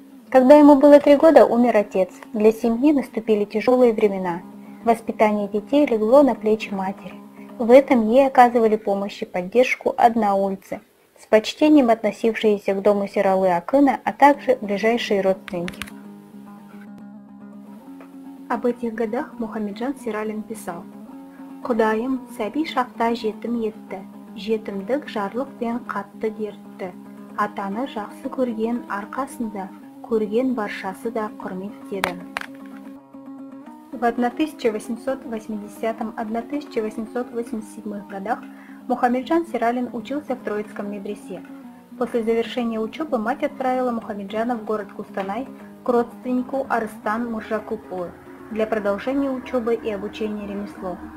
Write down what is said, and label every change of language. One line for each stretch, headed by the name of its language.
Russian: Когда ему было 3 года, умер отец. Для семьи наступили тяжелые времена. Воспитание детей легло на плечи матери. В этом ей оказывали помощь и поддержку одноульцы, с почтением относившиеся к дому Сиралы Акына, а также ближайшие родственники. Об этих годах Мухаммеджан Сиралин писал:
Kazakh: «Кудайым сәби шақта жетім етті, жетімдік жарлық пен қатты дертті. Атаны жақсы көрген арқасында, көрген баршасы да құрметтеді».
Russian: В 1880-1887 годах Мухаммеджан Сиралин учился в Троицком медресе. После завершения учебы мать отправила Мухаммеджана в город Кустанай к родственнику Арыстан Муржакупулы для продолжения учебы и обучения ремеслу.